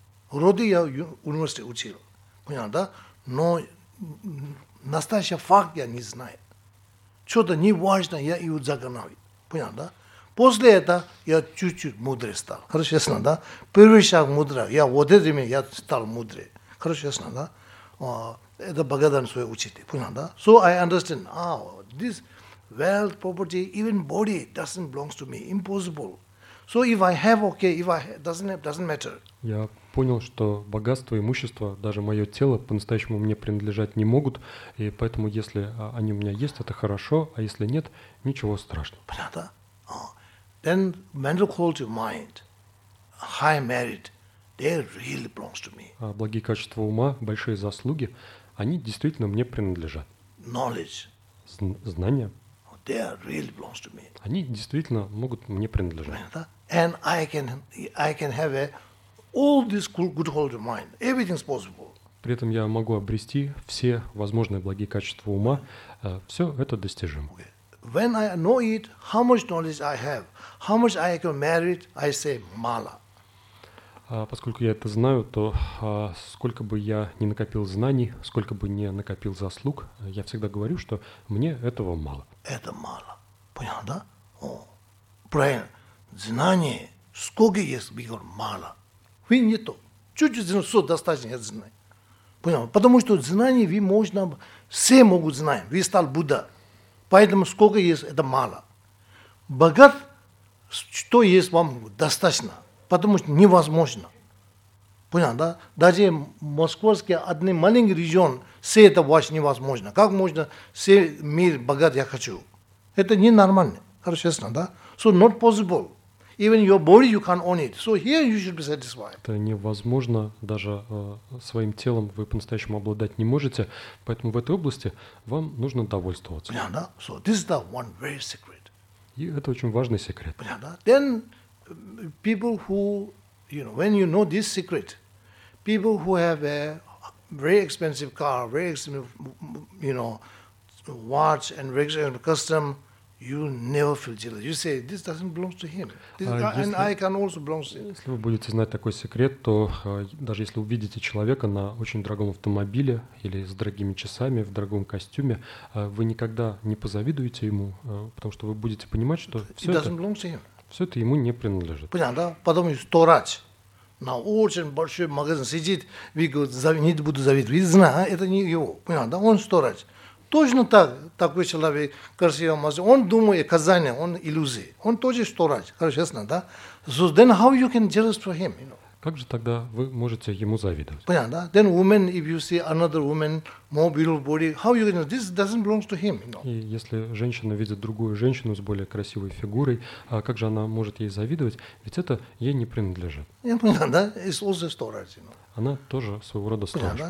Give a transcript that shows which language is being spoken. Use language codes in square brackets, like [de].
[ru] Вроде я в университете учил. Понятно, да? Но настоящий факт я не знаю. Что-то неважно, я его загонял. Понятно, да? После этого я чуть-чуть мудрее стал. Хорошо, ясно, да? Первый шаг мудрее. Я вот это время я стал мудрее. Хорошо, ясно, да? Это благодарен своему учителю. Понял, да? [en] So I understand. This wealth, property, even body doesn't belong to me. Impossible. So if I have, okay. If I have, doesn't have, doesn't matter. [ru] Я понял, что богатство, имущество, даже мое тело по-настоящему мне принадлежать не могут. И поэтому, если они у меня есть, это хорошо. А если нет, ничего страшного. Понял, да? [en] Then mental quality of mind, high merit, they really belongs to me. [ru] Благие качества ума, большие заслуги, они действительно мне принадлежат. [en] Knowledge. [ru] Знания. [en] They really belongs to me. [ru] Они действительно могут мне принадлежать. [en] And I can have all this good quality of mind. Everything's possible. [ru] При этом я могу обрести все возможные благие качества ума. Все это достижимо. [en] Okay. When I know it, how much knowledge I have, how much I can merit, I say [ru] мало. Поскольку я это знаю, то сколько бы я ни накопил знаний, сколько бы ни накопил заслуг, я всегда говорю, что мне этого мало. Это мало. Понял, да? О, правильно. Знание, сколько есть, бегал, мало. Вы не то. Чуть-чуть знаю, все достаточно, я знаю. Понял? Потому что знание, вы можно, все могут знать. Вы стал Будда. Поэтому сколько есть, это мало. Богат, что есть вам достаточно, потому что невозможно. Понятно, да? Даже московский, один маленький регион, все это вообще невозможно. Как можно все мир богат, я хочу? Это ненормально. Хорошо, ясно, да? [en] So not possible. Even your body you can't own it. So here you should be satisfied. [ru] Это невозможно, даже своим телом вы по-настоящему обладать не можете. Поэтому в этой области вам нужно довольствоваться. Понятно, да? [en] So this is the one very secret. [ru] И это очень важный секрет. Понятно, да? [en] Then people who, you know, when you know this secret, people who have a very expensive car, very expensive, you know, watch and very expensive custom, you never feel jealous. You say this doesn't belong to him. This, and I can also belong to him. [ru] Если вы будете знать такой секрет, то даже если увидите человека на очень дорогом автомобиле или с дорогими часами, в дорогом костюме, вы никогда не позавидуете ему, потому что вы будете понимать, что все это ему не принадлежит. Понятно, да? Потом сто раз на очень большой магазин сидит, вы говорите, не буду завидовать. Вы знаете, это не его. Понятно, да? Он сто раз. Точно так, такой человек, красивый мастер, он думает, казание, он иллюзия. Он тоже сторож, хорошо, ясно, да? [en] So then how you can jealous for him, you know? [ru] Как же тогда вы можете ему завидовать? Понятно, да? [en] Then woman, if you see another woman, more beautiful body, how you can, this doesn't belong to him, you know? [ru] И если женщина видит другую женщину с более красивой фигурой, а как же она может ей завидовать? Ведь это ей не принадлежит. Понятно, да? [en] It's also storage, you know? [ru] Она тоже своего рода сторож.